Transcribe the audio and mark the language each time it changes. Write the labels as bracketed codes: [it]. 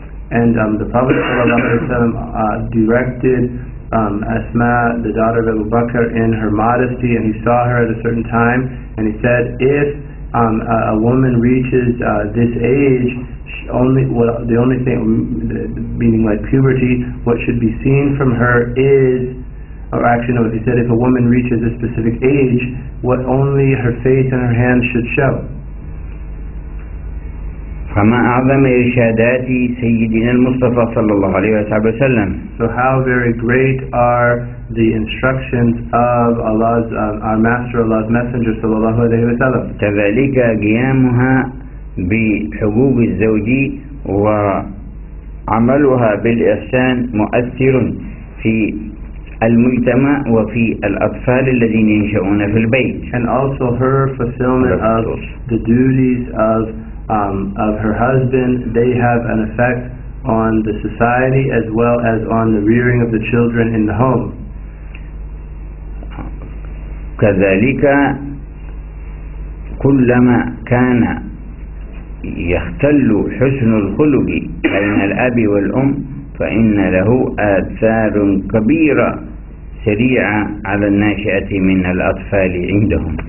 [en] And the Prophet [ar] صلى الله عليه وسلم [en] directed Asma, the daughter of Abu Bakr, in her modesty, and he saw her at a certain time, and he said, if a woman reaches this age, if a woman reaches a specific age, what only her face and her hands should show. [ar] فما أعظم إرشادات سيدنا المصطفى صلى الله عليه وسلم. [en] So how very great are the instructions of Allah's our Master, Allah's Messenger, [ar] صلى الله عليه وسلم. كذلك قيامها بحقوق الزوج وعملها بالإحسان مؤثر في المجتمع وفي الأطفال الذين ينشؤون في البيت. [en] And also her fulfillment of the duties of her husband, they have an effect on the society as well as on the rearing of the children in the home. [ar] كذلك كلما كان يختل حسن الخلق بين الأب والأم فإن له آثار كبيرة سريعة على الناشئة من الأطفال عندهم.